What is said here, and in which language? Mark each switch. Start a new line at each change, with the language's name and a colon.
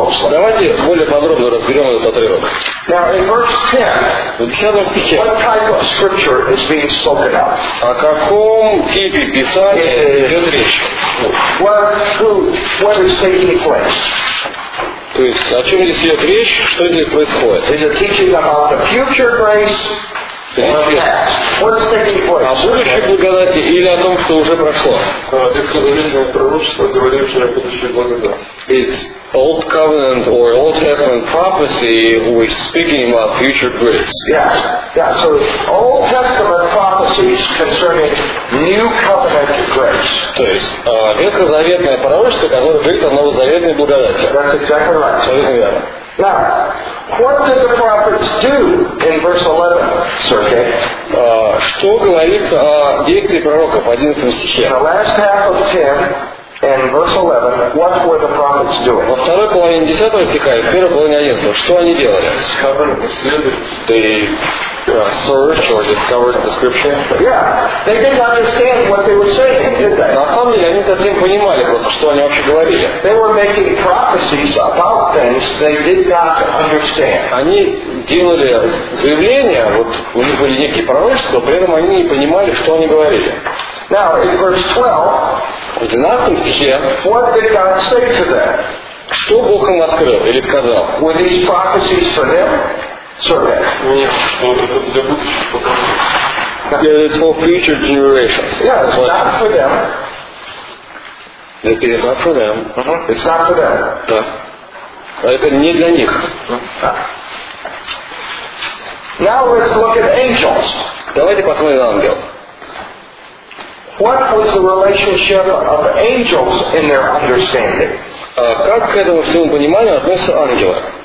Russian: Давайте более подробно разберем этот отрывок.
English: Now, in verse 10,
Russian: в 10 стихе,
English: what type of scripture is being spoken of?
Russian: О каком типе писания идет речь?
English: What is taking place?
Russian: То есть, о чем здесь идет речь, что здесь происходит?
English: Is it teaching about the future grace?
Russian: О будущей благодати или о том, что уже прошло? Ветхозаветное пророчество, говорившее о будущей благодати.
English: It's Old Covenant or Old Testament prophecy which is speaking about future grace. Yes. Yeah. So Old Testament prophecies concerning New Covenant grace.
Russian: То есть ветхозаветное пророчество, которое говорит о новозаветной благодати.
English: That's exactly right. Now, what did the prophets do in verse 11, sir? Okay.
Russian: Что говорится о действии пророков в 11 стихе?
English: In the last half of 10 and verse 11, what were the prophets doing?
Russian: Во второй половине 10 стиха и в первой половине 11, что они делали?
English: Search or discover the scripture. Yeah, they didn't understand what they were saying, did they?
Russian: На самом деле, они не совсем понимали, просто, что они вообще говорили.
English: They were making prophecies about things they did not understand.
Russian: Они делали заявления, вот у них были некие пророчества, при этом они не понимали, что они говорили.
English: Now, in verse 12,
Russian: в 12 стихе,
English: what did God say to them?
Russian: Что Бог им открыл или сказал?
English: Were these prophecies for them? Sure. Yeah, it's for future generations. Yeah, it's but not for them. It is not for them. Uh-huh. It's not for them.
Russian: Да. Это не для них.
English: Now let's look at angels.
Russian: Давайте посмотрим на ангел.
English: What was the relationship of angels in their understanding?
Russian: Как к этому всему пониманию относятся ангелы?